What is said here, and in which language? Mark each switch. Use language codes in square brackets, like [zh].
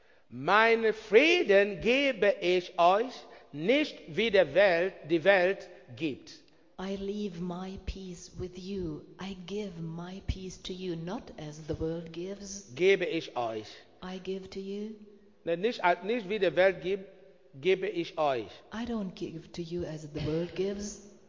[de] Meinen Frieden gebe ich euch, nicht wie die Welt gibt. [en] I leave my peace with you. I give my peace to you, not as the world gives. [de] Gebe ich euch. [en] I give to you. [de] Nicht wie die Welt gibt, gebe ich euch. [en] I don't give to you as the world gives.